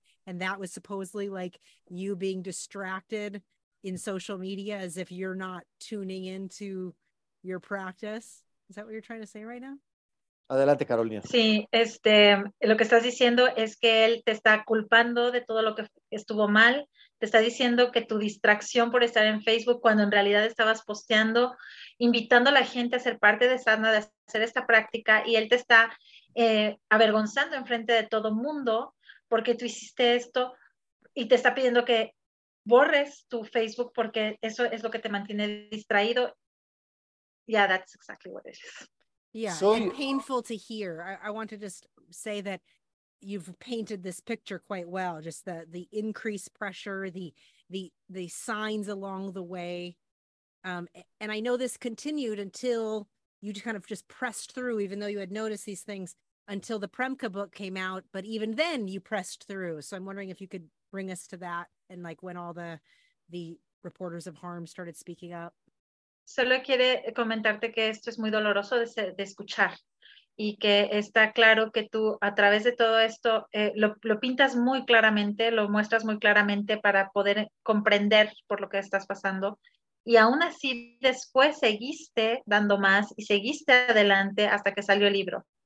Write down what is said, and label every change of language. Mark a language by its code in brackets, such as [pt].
[en] And that was supposedly like you being distracted in social media as if you're not tuning into your practice. Is that what you're trying to say right now? [es] Adelante, Carolina. Sí, lo que estás diciendo es que él te está culpando de todo lo que estuvo mal. Te está diciendo que tu distracción por estar en Facebook cuando en realidad estabas posteando, invitando a la gente a ser parte de Sadhana, de hacer esta práctica, y él te está avergonzando enfrente de todo mundo porque tú hiciste esto y te está pidiendo que borres tu Facebook porque eso es lo que te mantiene distraído. [en] Yeah, that's exactly what it is. Yeah, and painful to hear. I want to just say that you've painted this picture quite well, just the increased pressure, the signs along the way. And I know this continued until you kind of just pressed through, even though you had noticed these things, until the Premka book came out. But even then you pressed through. So I'm wondering if you could bring us to that and like when all the reporters of harm started speaking up. [es] Solo quiere comentarte que esto es muy doloroso de escuchar y que está claro que tú a través de todo esto lo pintas muy claramente, lo muestras muy claramente para poder comprender por lo que estás pasando. Y aún así después seguiste dando más y seguiste adelante hasta que salió el libro.